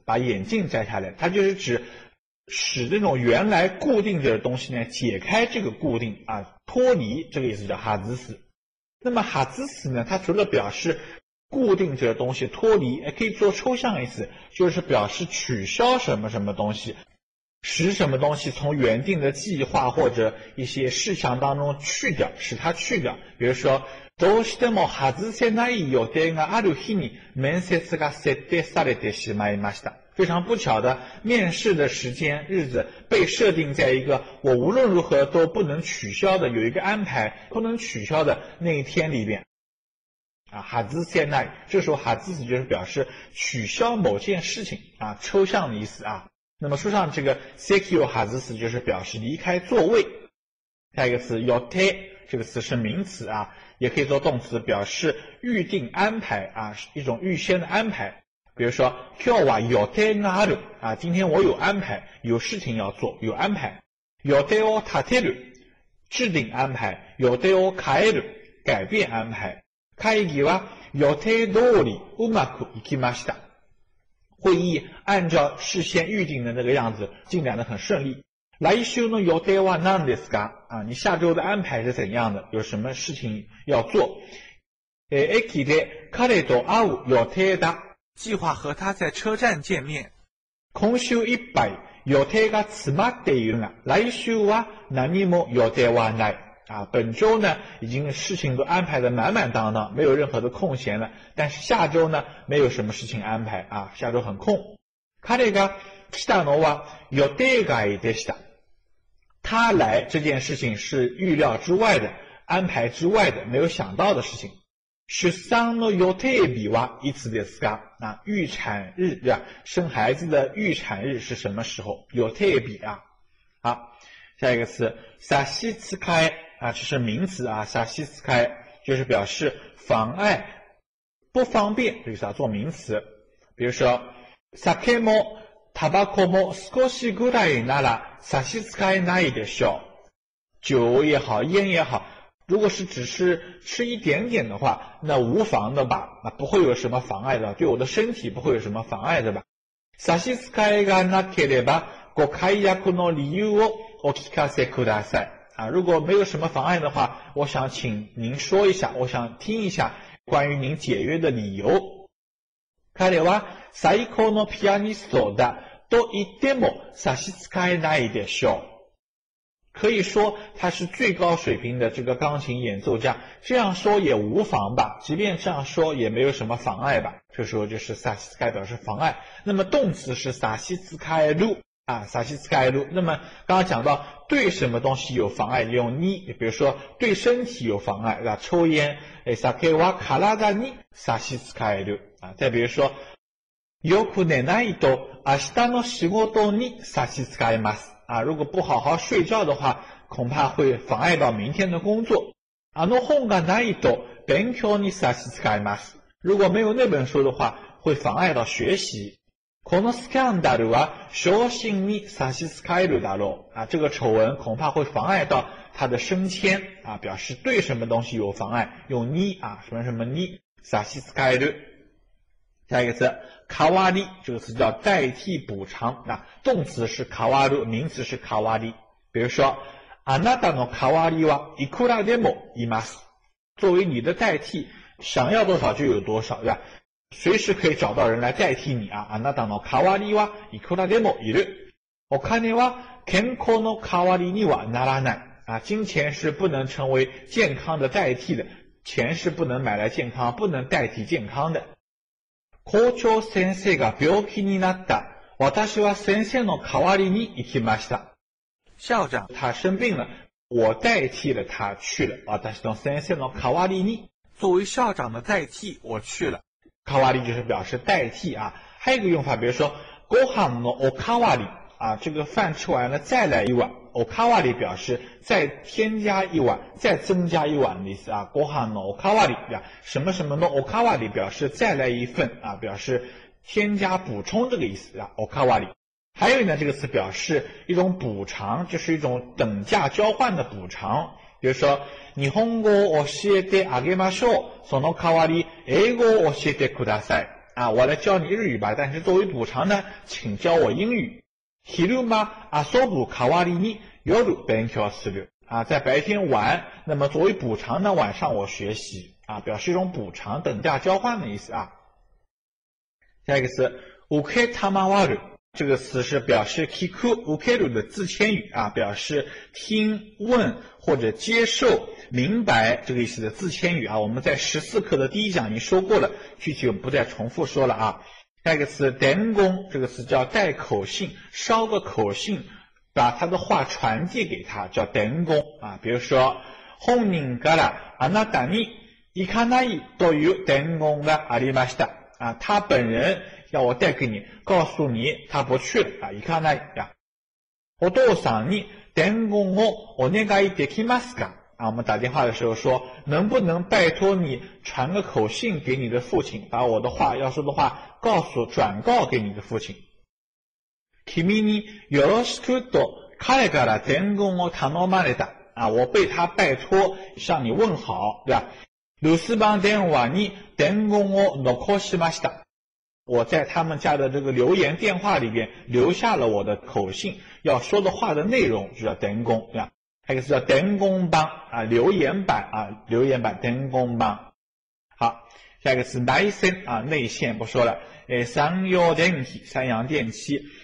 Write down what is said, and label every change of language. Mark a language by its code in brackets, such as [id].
[zh] 把眼镜摘下来。它就是指使那种原来固定着的东西呢，解开这个固定啊，脱离，这个意思叫外す。那么外す呢，它除了表示固定着的东西脱离，也可以做抽象意思，就是表示取消什么什么东西，使什么东西从原定的计划或者一些事项当中去掉，使它去掉。比如说， [ja] どうしても外せない予定がある日に面接が設定されてしまいました。 [zh] 非常不巧的面试的时间日子被设定在一个我无论如何都不能取消的有一个安排不能取消的那一天里面啊，哈兹塞奈，这时候哈兹斯就是表示取消某件事情啊，抽象的意思啊。那么书上这个 secure 哈兹斯就是表示离开座位。下一个词 yote 这个词是名词啊，也可以做动词，表示预定安排啊，一种预先的安排。比如说 [ja] kyo wa yote ga aru [zh] 啊，今天我有安排，有事情要做，有安排。 [ja] yote o tateru [zh] 制定安排 ， [ja] yote o kaeru [zh] 改变安排。 [ja] 会议は予定通りうまくいきました。 [zh] 会议按照事先预定的那个样子进展得很顺利。 [ja] 来週の予定は何ですか？ [zh] 啊，你下周的安排是怎样的？有什么事情要做？ [ja] 駅で彼と会う予定だ。 [zh] 计划和他在车站见面。 [ja] 今週いっぱい予定が詰まっているが、来週は何も予定はない。 [zh] 啊，本周呢已经事情都安排的满满当当，没有任何的空闲了。但是下周呢没有什么事情安排啊，下周很空。 [ja] 彼が来たのは予定外でした。 [zh] 他来这件事情是预料之外的，安排之外的，没有想到的事情。 [ja] 出産の予定日はいつですか？ [zh] 那预产日啊，生孩子的预产日是什么时候？予定日啊。好，下一个词 [ja] 差し支え。 [zh] 啊，这是名词啊，差し支え就是表示妨碍、不方便，这个是做名词。比如说， [ja] 酒もタバコも少しぐらいなら差し支えないでしょう。 [zh] 酒也好，烟也好，如果是只是吃一点点的话，那无妨的吧，那不会有什么妨碍的，对我的身体不会有什么妨碍的吧。 [ja] 差し支えがなければ、ご解約の理由をお聞かせください。 [zh] 啊，如果没有什么妨碍的话，我想请您说一下，我想听一下关于您解约的理由。 [ja] 彼は最高のピアニストだと言っても差し支えないでしょう。 [zh] 可以说他是最高水平的这个钢琴演奏家，这样说也无妨吧，即便这样说也没有什么妨碍吧。这时候就是差し支え表示妨碍，那么动词是差し支える。啊，差し支える。那么刚刚讲到对什么东西有妨碍，用に，比如说对身体有妨碍，啊，抽烟， [ja] 酒は体に差し支える。 [zh] 啊，再比如说， [ja] よく寝ないと明日の仕事に差し支えます。 [zh] 啊，如果不好好睡觉的话，恐怕会妨碍到明天的工作。 [ja] あの本がないと勉強に差し支えます。 [zh] 如果没有那本书的话，会妨碍到学习。 [ja] このスキャンダルは昇進に差し支えるだろう。 [zh] 啊，这个丑闻恐怕会妨碍到他的升迁。啊，表示对什么东西有妨碍，用に啊，什么什么に差し支える。下一个词，代わり，这个词叫代替补偿。那动词是代わる，名词是代わり。比如说， [ja] あなたの代わりはいくらでもいます。 [zh] 作为你的代替，想要多少就有多少，对吧？随时可以找到人来代替你啊！ [ja] あなたの代わりはいくらでもいる。お金は健康の代わりにはならない。 [zh] 啊，金钱是不能成为健康的代替的，钱是不能买来健康，不能代替健康的。 [ja] 校長先生が病気になった。私は先生の代わりに行きました。 [zh] 校长他生病了，我代替了他去了。 [ja] 私の先生の代わりに， [zh] 作为校长的代替，我去了。代わり就是表示代替啊，还有一个用法，比如说ご飯のおかわり啊，这个饭吃完了再来一碗，おかわり表示再添加一碗，再增加一碗的意思啊。ご飯のおかわり啊，什么什么のおかわり表示再来一份啊，表示添加补充这个意思啊。おかわり，还有呢这个词表示一种补偿，就是一种等价交换的补偿。比如说 [ja] 日本語を教えてあげましょう、その代わり英語を教えてください。 [zh] 啊，我来教你日语吧，但是作为补偿呢，请教我英语。 [ja] 昼間遊ぶ代わりに夜勉強する。 [zh] 啊，在白天玩，那么作为补偿呢，晚上我学习。啊，表示一种补偿，等价交换的意思啊。下一个词 [ja] 受けたまわる， [zh] 这个词是表示聞く、受ける的自谦语啊，表示听、问或者接受、明白这个意思的自谦语啊。我们在14课的第一讲已经说过了，具体我们不再重复说了啊。下一个词伝言，这个词叫带口信，烧个口信，把他的话传递给他，叫伝言啊。比如说 [ja] 本人からあなたに行かないという伝言がありました [zh] 啊，他本人要我带给你，告诉你他不去了啊，行かない呀。 [ja] お父さんに伝言をお願いできますか？ [zh] 啊，我们打电话的时候说，能不能拜托你传个口信给你的父亲，把我的话要说的话告诉转告给你的父亲。 [ja] 君によろしくと彼から伝言を頼まれた。 [zh] 啊，我被他拜托向你问好，对吧？ [ja] 留守番電話に伝言を残しました。 [zh] 我在他们家的这个留言电话里边留下了我的口信，要说的话的内容就叫伝言，对吧？还有一个叫伝言板啊，留言板啊，留言板伝言板。好，下一个是内线啊，内线不说了。三洋电器，三洋电器。